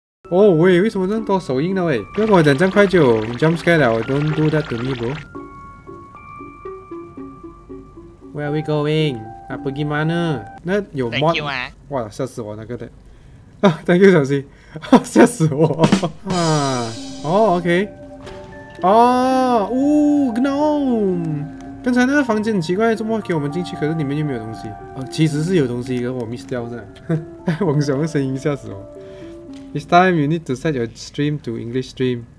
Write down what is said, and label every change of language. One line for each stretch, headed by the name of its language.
Chinese: 哦、oh, 喂，为什么这么多手印呢喂？要跟我讲这么快就 jump scare 了 ？
English: Don't do that to me, bro. Where are we going?
Chinese: 啊，不给嘛呢？那有 mod？哇，吓死我那个的！啊 ，thank you 小西，吓死我！啊，哦 ，OK， 哦，呜 ，gnome， 刚才那个房间很奇怪，怎么给我们进去？可是里面又没有东西。哦，其实是有东西，可是我 miss 掉了。王小的声音吓死我 ！
English: It's time you need to set your stream to English stream.